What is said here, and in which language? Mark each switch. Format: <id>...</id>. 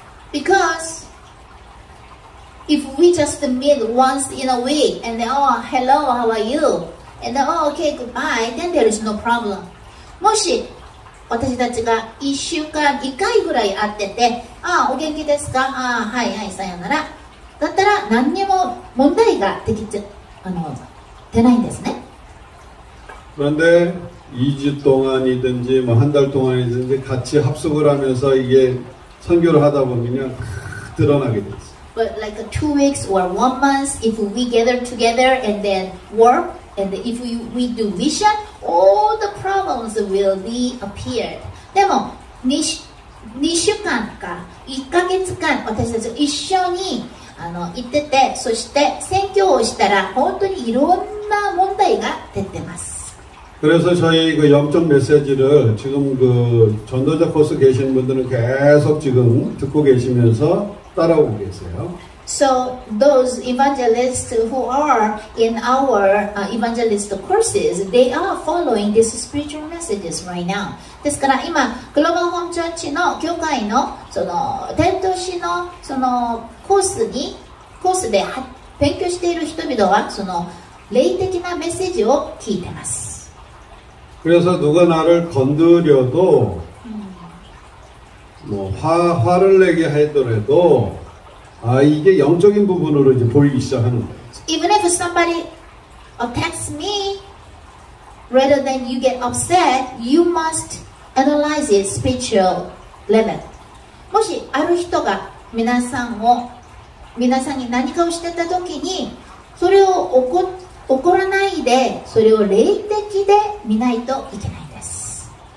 <en>Because if we just meet once in a week and then, oh, hello, how are you? And then, oh, okay, goodbye, then there is no problem.</en> <ja>もし私たちが1週間1回ぐらい会ってて、ああ、お元気ですかああ、はいはい、さよなら。だったら何にも問題ができちゃ、出ないんですね。</ja> <ko>그런데2주동안이든지뭐한달동안이든지같이합숙을하면서이게선교를하다보면드러나게됐어요</ko> <en>But like 2 weeks or 1 month, if we gather together and then work, and if we do mission, all the problems will be appeared.</en> <ja>데모 2週間か1ヶ月間私たち一緒に行っててそして宣教をしたら本当にいろんな問題が出てます</ja> <ko>그래서저희그영적메시지를지금그전도자코스계신분들은계속지금듣고계시면서따라오고계세요</ko> <en>So those evangelists who are in our evangelist courses, they are following these spiritual messages right now.</en> <ja>ですから今グローバルホームチャーチの教会のその伝統師のそのコースにコースで勉強している人々はその霊的なメッセージを聞いてます</ja> <ko>그래서 누가 나를 건드려도 뭐 화를 내게 하더라도 아 이게 영적인 부분으로 이제 보이기 시작하는 거예요.</ko> <en>Even if somebody attacks me, rather than you get upset, you must analyze it spiritual level.</en> <ja>もしある人が皆さんに何かをしてた時にそれを怒らないでそれを霊的で見ないといけないです。</ja>